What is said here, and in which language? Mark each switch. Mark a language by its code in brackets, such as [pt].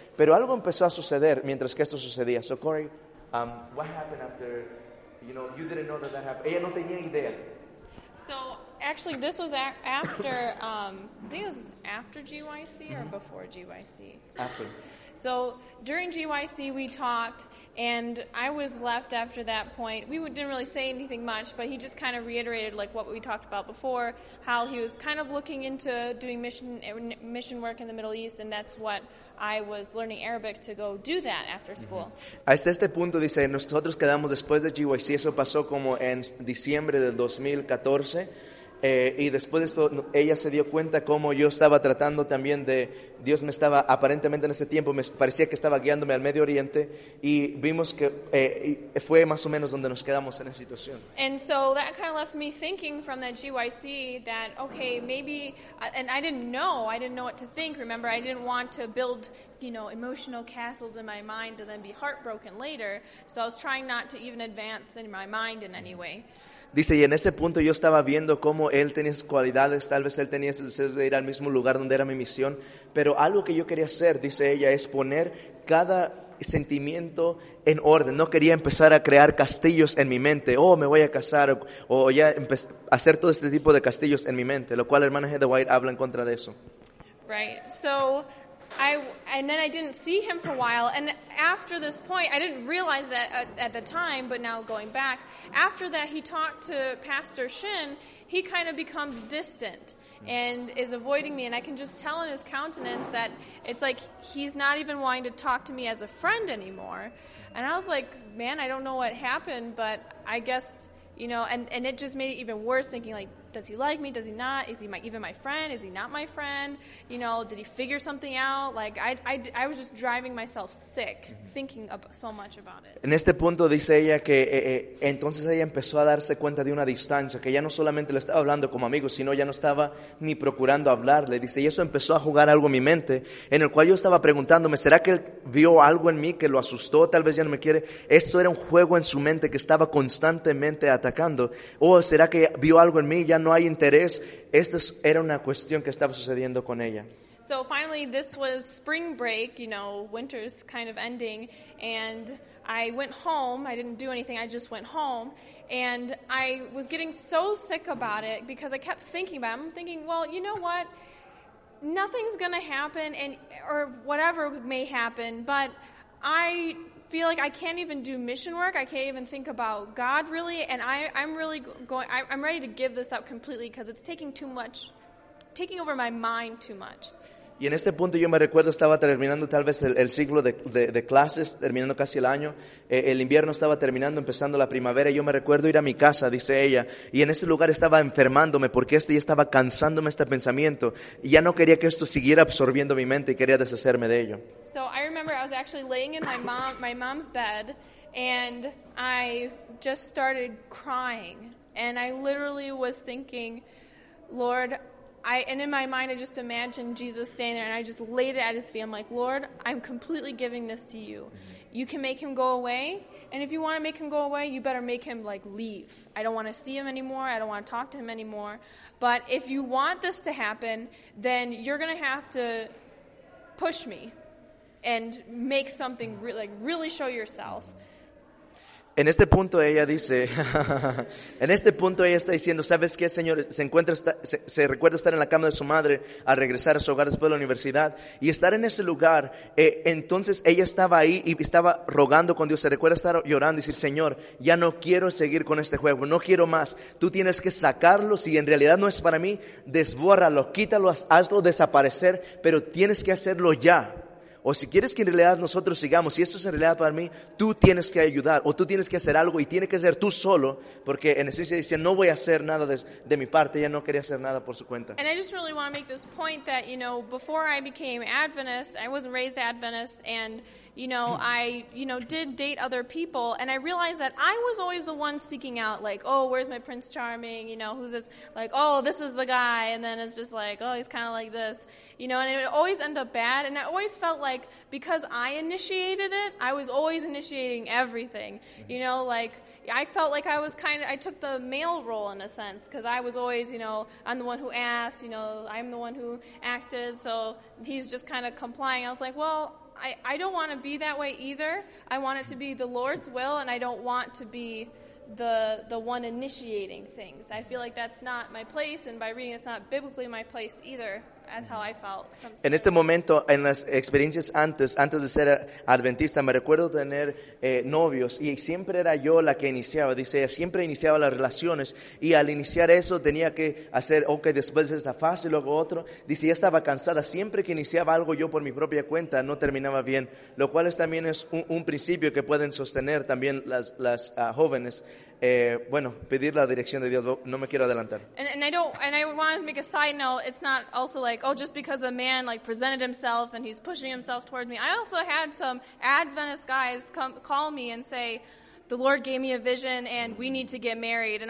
[es] Pero algo empezó a suceder mientras que esto sucedía. [en] So Corey, what happened after, you know, you didn't know that happened. [es] Ella no tenía idea. [en] So actually this was after, I think this was after GYC or before GYC? After. So during GYC we talked and I was left after that point. We didn't really say anything much, but he just kind of reiterated like what we talked about before, how he was kind of looking into doing mission work in the Middle East, and that's what I was learning Arabic to go do that after school. [es] Hasta este punto dice, nosotros quedamos después de GYC, eso pasó como en diciembre del 2014. Y después de esto, ella se dio cuenta cómo yo estaba tratando también de... Dios me estaba, aparentemente en ese tiempo, me parecía que estaba guiándome al Medio Oriente. Y vimos que fue más o menos donde nos quedamos en la situación. [en] And so that kind of left me thinking from that GYC that, okay, maybe... And I didn't know what to think, remember? I didn't want to build, you know, emotional castles in my mind and then be heartbroken later. So I was trying not to even advance in my mind in any way. Dice, y en ese punto yo estaba viendo cómo él tenía sus cualidades, tal vez él tenía ese deseo de ir al mismo lugar donde era mi misión, pero algo que yo quería hacer, dice ella, es poner cada sentimiento en orden. No quería empezar a crear castillos en mi mente, me voy a casar, o ya hacer todo este tipo de castillos en mi mente, lo cual la hermana Heather White habla en contra de eso. Right, so... And then I didn't see him for a while, and after this point, I didn't realize that at the time, but now going back, after that he talked to Pastor Shin, he kind of becomes distant and is avoiding me, and I can just tell in his countenance that it's like he's not even wanting to talk to me as a friend anymore. And I was like, man, I don't know what happened, but I guess, you know, and it just made it even worse thinking like, does he like me? Does he not? Is he even my friend? Is he not my friend? You know, did he figure something out? Like, I was just driving myself sick thinking so much about it. [es] En este punto dice ella que entonces ella empezó a darse cuenta de una distancia, que ya no solamente le estaba hablando como amigo, sino ya no estaba ni procurando hablarle. Dice, y eso empezó a jugar algo en mi mente, en el cual yo estaba preguntándome, ¿será que él vio algo en mí que lo asustó? Tal vez ya no me quiere. Esto era un juego en su mente que estaba constantemente atacando. ¿O será que vio algo en mí? Ya no hay interés. Esta era una cuestión que estaba sucediendo con ella. [en] So finally, this was spring break, you know, winter's kind of ending, and I went home. I didn't do anything. I just went home, and I was getting so sick about it because I kept thinking about it. I'm thinking, well, you know what? Nothing's going to happen, and or whatever may happen, but I feel like I can't even do mission work. I can't even think about God really, and I'm ready to give this up completely because it's taking over my mind too much. [es] Y en este punto yo me recuerdo estaba terminando tal vez el ciclo de clases, terminando casi el año. El invierno estaba terminando, empezando la primavera. Y yo me recuerdo ir a mi casa, dice ella. Y en ese lugar estaba enfermándome porque ya estaba cansándome este pensamiento. Y ya no quería que esto siguiera absorbiendo mi mente y quería deshacerme de ello. [en] So I remember I was actually laying in my mom's bed and I just started crying. And I literally was thinking, Lord, and in my mind, I just imagined Jesus staying there, and I just laid it at his feet. I'm like, Lord, I'm completely giving this to you. You can make him go away, and if you want to make him go away, you better make him, like, leave. I don't want to see him anymore. I don't want to talk to him anymore. But if you want this to happen, then you're going to have to push me and make something, really show yourself. [es] En este punto ella dice, en este punto ella está diciendo, ¿sabes qué, señor? Se recuerda estar en la cama de su madre al regresar a su hogar después de la universidad y estar en ese lugar. Entonces ella estaba ahí y estaba rogando con Dios. Se recuerda estar llorando y decir, Señor, ya no quiero seguir con este juego, no quiero más. Tú tienes que sacarlo. Si en realidad no es para mí, desbórralo, quítalo, hazlo desaparecer, pero tienes que hacerlo ya. O si quieres que en realidad nosotros sigamos, si esto es en realidad para mí, tú tienes que ayudar o tú tienes que hacer algo y tiene que ser tú solo, porque en esencia dice, no voy a hacer nada de mi parte, ya no quería hacer nada por su cuenta. [en] And I just really want to make this point that, you know, before I became Adventist, I wasn't raised Adventist, and, you know, I, you know, did date other people, and I realized that I was always the one seeking out, like, oh, where's my Prince Charming, you know, who's this, like, oh, this is the guy, and then it's just like, oh, he's kind of like this. You know, and it would always end up bad, and I always felt like because I initiated it, I was always initiating everything. You know, like I felt like I took the male role in a sense because I was always, you know, I'm the one who asked. You know, I'm the one who acted, so he's just kind of complying. I was like, well, I don't want to be that way either. I want it to be the Lord's will, and I don't want to be the one initiating things. I feel like that's not my place, and by reading, it's not biblically my place either. That's how I felt. [es] En este momento, en las experiencias antes de ser adventista, me recuerdo tener novios y siempre era yo la que iniciaba. Dice, siempre iniciaba las relaciones y al iniciar eso tenía que hacer, ok, después de esta fase, luego otro. Dice, ya estaba cansada. Siempre que iniciaba algo yo por mi propia cuenta no terminaba bien, lo cual también es un principio que pueden sostener también las jóvenes. Bueno, pedir la dirección de Dios, no me quiero adelantar. [en] And I want to make a side note, it's not also like, oh, just because a man like presented himself and he's pushing himself towards me. I also had some Adventist guys come call me and say, the Lord gave me a vision and we need to get married.